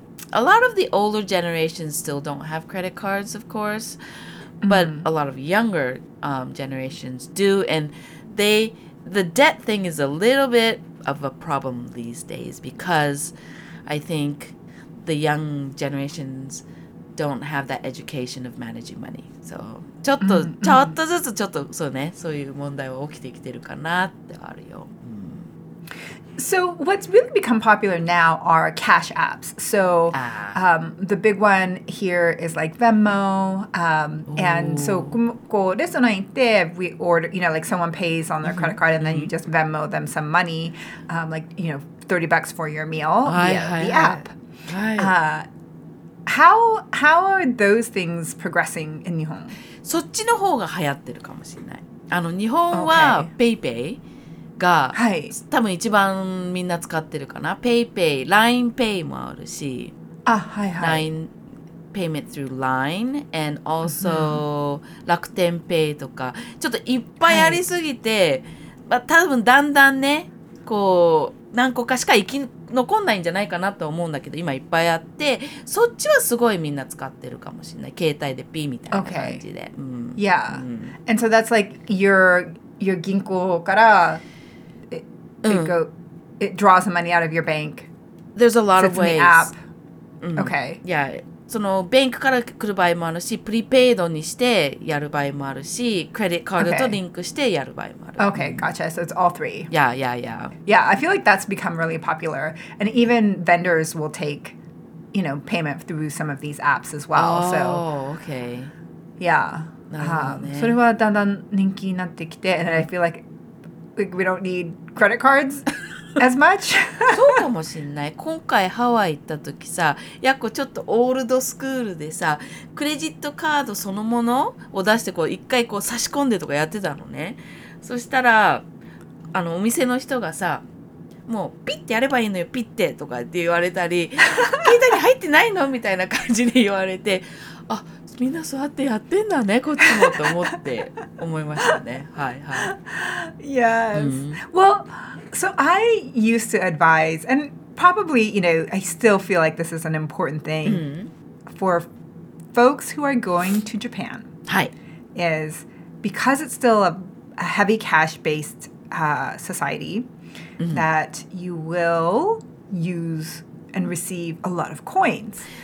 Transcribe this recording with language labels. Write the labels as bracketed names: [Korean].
[English] A lot of the older generations still don't have credit cards, of course, but a lot of younger generations do, and the debt thing is a little bit of a problem these days because I think the young generations don't have that education of managing money, so. [Japanese] ちょっと、ちょっとずつちょっとそうね、そういう問題は起きてきてるかなってあるよ。 [English] So what's really become popular now are cash apps. So the big one here is like Venmo. And so [Japanese] こうレストラン行って [English] we order, you know, like someone pays on their credit card and then you just Venmo them some money, like, you know, $30 for your meal via the app. How are those things progressing in 日本? [Japanese] そっちの方が流行ってるかもしれない。あの日本はペイペイが、多分一番みんな使ってるかな。ペイペイ、LINE PAY もあるし、LINE [English] PAYMENT THROUGH LINE AND ALSO [Japanese] 楽天ペイとか、ちょっといっぱいありすぎて、多分だんだんね、こう何個かしか生き残んないんじゃないかなと思うんだけど、今いっぱいあって、そっちはすごいみんな使ってるかもしれない。携帯でピーみたいな感じで。 [English] Yeah. And so that's like your [Japanese] 銀行から [English] it draws the money out of your bank. There's a lot of ways. It's an app. Okay. Yeah. [Japanese] そのバンクから来る場合もあるし、プリペイドにしてやる場合もあるし、クレジットカードとリンクしてやる場合もある。 [English] Okay, gotcha. So it's all three. Yeah, yeah, yeah. Yeah, I feel like that's become really popular. And even vendors will take, you know, payment through some of these apps as well. Oh, so, okay. Yeah. [Japanese] なるほどね。それはだんだん人気になってきて、 [English] and I feel like we don't need credit cards as much. [Japanese] そうかもしんない。今回ハワイ行った時さ、やっこちょっとオールドスクールでさ、クレジットカードそのものを出してこう一回こう差し込んでとかやってたのね。そしたらあのお店の人がさ、もうピッてやればいいのよピッてとかって言われたり、携帯に入ってないのみたいな感じで言われて、あ、みんなそうやってやってんだねこっちもと思って思いましたね。はいはい。 [English] Yes. Well. So I used to advise, and probably, you know, I still feel like this is an important thing for folks who are going to Japan, is because it's still a heavy cash-based society, that you will use and receive a lot of coins.